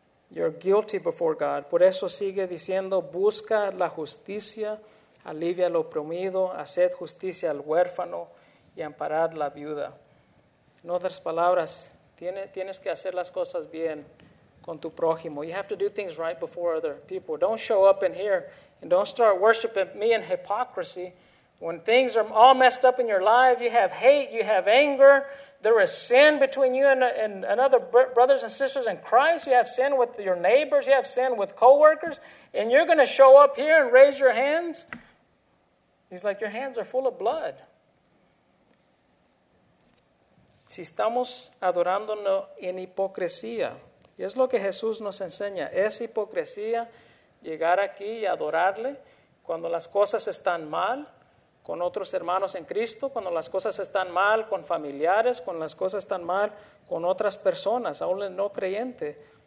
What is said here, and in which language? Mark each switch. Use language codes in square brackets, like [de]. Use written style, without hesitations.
[en] You're guilty before God. [es] Por eso sigue diciendo, busca la justicia, alivia al oprimido, haced justicia al huérfano y amparad la viuda. En otras palabras, tienes que hacer las cosas bien con tu prójimo. [en] You have to do things right before other people. Don't show up in here and don't start worshiping me in hypocrisy. When things are all messed up in your life, you have hate, you have anger, there is sin between you and other brothers and sisters in Christ, you have sin with your neighbors, you have sin with coworkers, and you're going to show up here and raise your hands? He's like, your hands are full of blood. [es] Si estamos adorándonos en hipocresía, y es lo que Jesús nos enseña, es hipocresía llegar aquí y adorarle cuando las cosas están mal, con otros hermanos en Cristo, cuando las cosas están mal, con familiares, cuando las cosas están mal, con otras personas, aún el no creyente.